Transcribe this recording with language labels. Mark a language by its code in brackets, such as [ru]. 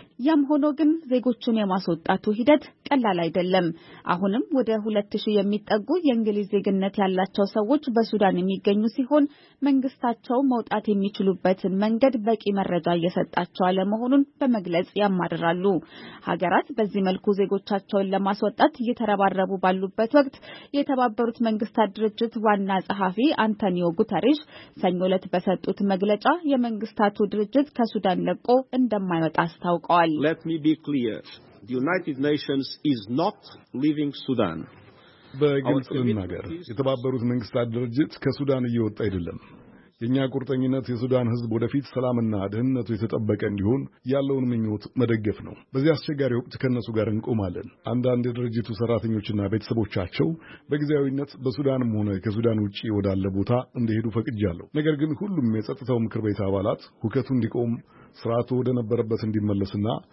[am] ያም ሆኖ ግን ዜጎቹን የማስወጣቱ ሂደት ቀላል አይደለም። አሁንም ወደ 2000 የሚጠጉ የእንግሊዝ ዜግነት ያላቸው ሰዎች በሱዳን የሚገኙ ሲሆን መንግስታቸው መውጣት የሚችሉበትን መንገድ በቂ መረጃ እየሰጣቸው አለመሆኑን በመግለጽ ያማርራሉ። ሀገራት በዚህ መልኩ ዜጎቻቸውን ለማስወጣት እየተረባረቡ ባሉበት ወቅት የተባበሩት መንግስታት ድርጅት ዋና ጸሐፊ አንቶኒዮ ጉተሬሽ ሰኞ ዕለት በሰጡት መግለጫ የመንግስታቱ ድርጅት ከሱዳን ለቆ እንደማይወጣ አስታውቀዋል። [en] Let me be clear. The United Nations is not leaving Sudan. [am] በግልጽ ልናገር የተባበሩት መንግስታት ድርጅት ከሱዳን እየወጣ አይደለም። የኛ ቁርጠኝነት የሱዳን ህዝብ ወደፊት ሰላምና ደህንነቱ የተጠበቀ እንዲሆን ያለውን ምኞት መደገፍ ነው። በዚህ አስቸጋሪ ወቅት ከነሱ ጋር እንቆማለን። አንዳንድ ድርጅቱ ሰራተኞችና ቤተሰቦቻቸው በጊዜያዊነት በሱዳንም ሆነ ከሱዳን ውጪ ወዳለ ቦታ እንዲሄዱ ፈቅጃለሁ። ነገር ግን ሁሉም የጸጥታው ምክር ቤት አባላት ሁከቱ እንዲቆም፣ ስርዓቱ ወደ ነበረበት እንዲመለስና